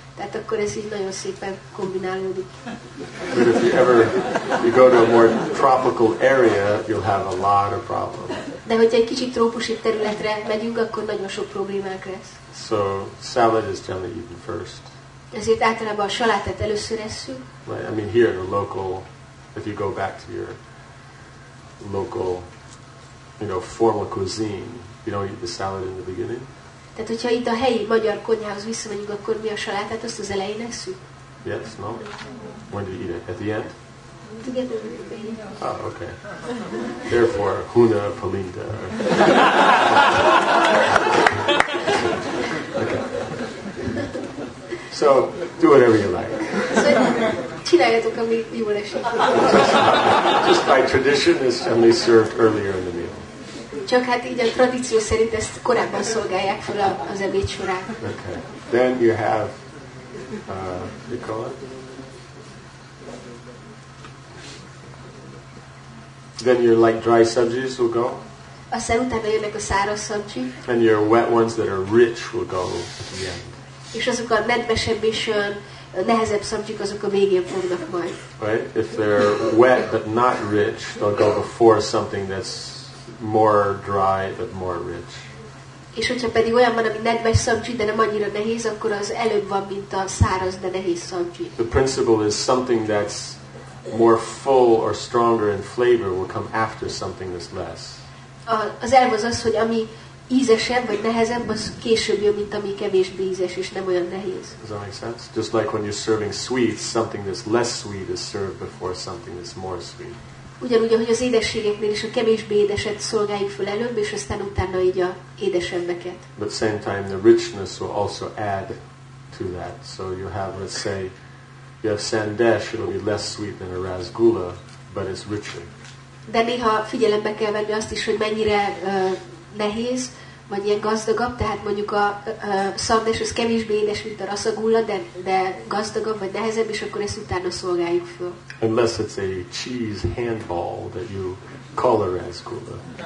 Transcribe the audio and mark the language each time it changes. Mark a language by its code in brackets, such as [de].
[hu] Tehát akkor ez így nagyon szépen kombinálódik. [en] But if you ever you go to a more tropical area, you'll have a lot of problems. [hu] De hogyha egy kicsit trópusi területre megyünk, akkor nagyon sok problémák lesz. [en] So salad is generally eaten first. [hu] Ezért általában a salátát először esszük. [en] I mean here the local, if you go back to your local, you know, formal cuisine, you don't eat the salad in the beginning. [hu] Tehát, hogyha itt a helyi magyar konyhához visszamegyünk, akkor mi a salátát, azt az elején esszük? [en] Yes, no? When do you eat it? At the end? Together. Oh, okay. Therefore, Huna Palinda. Okay. So, do whatever you like. [hu] Csináljátok, ami jól esik. [en] Just by tradition, it's only served earlier in the meal. [hu] Csak hát így a tradíció szerint ezt korábban szolgálják fel az ebéd során. [en] Okay. Then you have, you call it? Then your like dry sabzis will go. [hu] Aztán utána jönnek a száraz sabzi. [en] And your wet ones that are rich will go at the end. [hu] És azok a nedvesebb és nehezebb sabzik, azok a végén fognak majd. [en] Right? If they're wet but not rich, they'll go before something that's more dry but more rich. [hu] És hogyha pedig olyan van, ami nedves szabzsi, de nem annyira nehéz, akkor az előbb van, mint a száraz, de nehéz szabzsi. [en] The principle is something that's more full or stronger in flavor will come after something that's less. [hu] Az elv az, hogy ami ízesebb vagy nehezebb, az később jön, mint ami kevésbé ízes és nem olyan nehéz. [en] Does that make sense? Just like when you're serving sweets, something that's less sweet is served before something that's more sweet. [hu] Ugyanúgy, ahogy az édességeknél is a kevésbé édeset szolgáljuk föl előbb, és aztán utána így a édesebbeket. [en] But same time, the richness will also add to that. So you have, let's say, you have sandesh, it'll be less sweet than a rasgulla, but it's richer. [hu] De néha figyelembe kell venni azt is, hogy mennyire nehéz, vagy ilyen gazdagabb, tehát mondjuk a szandes, az kevésbé édes, mint a rasagulla, de gazdagabb, vagy nehezebb, és akkor ezt utána szolgáljuk föl. [en] Unless it's a cheese handball that you call a rasgulla.